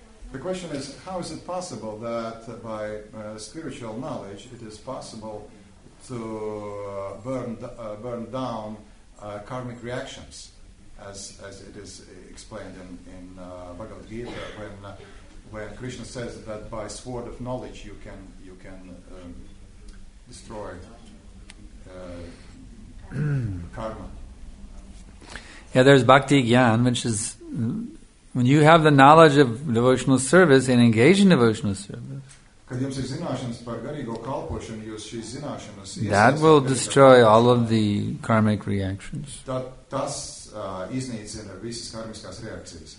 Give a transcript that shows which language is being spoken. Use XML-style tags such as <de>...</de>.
<en>The question is, how is it possible that by spiritual knowledge it is possible to burn down karmic reactions, as it is explained in Bhagavad Gita, when Krishna says that by sword of knowledge you can destroy karma? Yeah, there's bhakti gyan, which is When you have the knowledge of devotional service and engage in devotional service,</en> <lv>kad jums ir zināšanas par garīgo kalpošanu, jūs šīs zināšanas</lv> <en>that will destroy all of the karmic reactions.</en> <lv>Tas iznīcina visas karmiskās reakcijas.</lv>